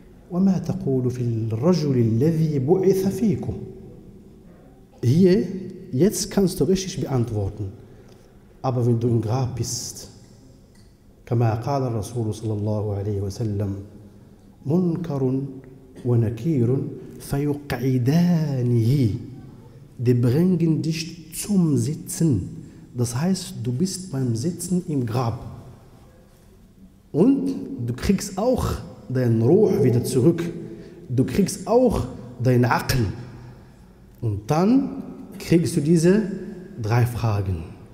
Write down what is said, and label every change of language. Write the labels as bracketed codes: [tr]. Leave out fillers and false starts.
[ar] وما تقول في الرجل الذي بعث فيكم. [de] Hier jetzt kannst du richtig beantworten. Aber wenn du im Grab bist, [ar] كما قال الرسول صلى الله عليه وسلم منكر ونكير فيقعدانه. [de] Die bringen dich zum Sitzen. Das heißt, du bist beim Sitzen im Grab. Und du kriegst auch dein Ruh wieder zurück. Du kriegst auch dein Aql. Und dann kriegst du diese drei Fragen.